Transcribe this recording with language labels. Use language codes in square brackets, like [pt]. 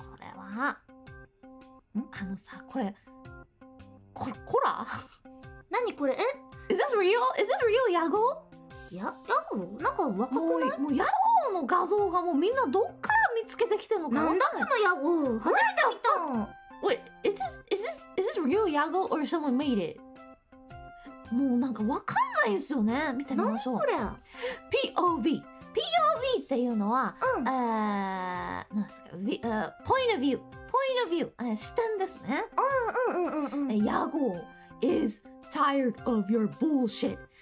[ja] これはんあのさ、これコラ何これ、え [en] Is this real? Is this real? ヤゴ [ja] ヤゴなんか若くないもうヤゴの画像がもうみんなどっから見つけてきてんのかなんだこのヤゴ初めて見た [en] Wait, is this real ヤゴ or someone made it? [ja] もうなんかわかんないですよね見てみましょう何これ POVPOV っていうのは、うん、なんですか、 [en] point of view、point of view、 [ja] 視点ですね。うんうんうんうんうん。 [en] ヤゴ is tired of your bullshit。